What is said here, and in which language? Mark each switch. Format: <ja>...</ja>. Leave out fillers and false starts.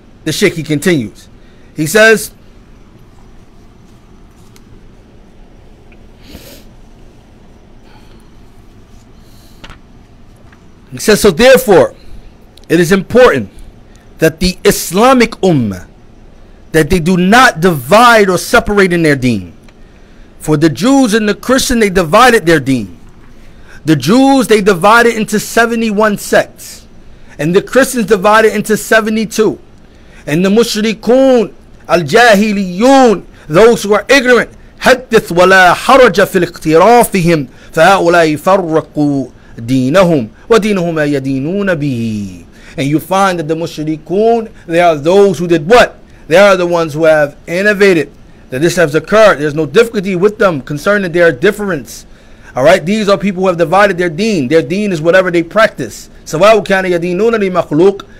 <en>The Sheikh, he continues. He says, so therefore, it is important that the Islamic Ummah, that they do not divide or separate in their deen. For the Jews and the Christian, they divided their deen. The Jews, they divided into 71 sects. And the Christians divided into 72. And the Mushrikun, Al-Jahiliyun, those who are ignorant,</en> <ar>حَدِّثْ وَلَا حَرَجَ فِي الْاِقْتِرَافِهِمْ فَهَؤُلَاءِ فَرَّقُوا دِينَهُمْ وَدِينُهُمَا يَدِينُونَ بِهِ.</ar> <en>And you find that the Mushrikun, they are those who did what? They are the ones who have innovated. That this has occurred. There's no difficulty with them concerning their difference. Alright, these are people who have divided their deen. Their deen is whatever they practice.</en> <ar>سَوَاءُ كَانَ يَدِينُونَ لِمَخْلُوقِ.</ar>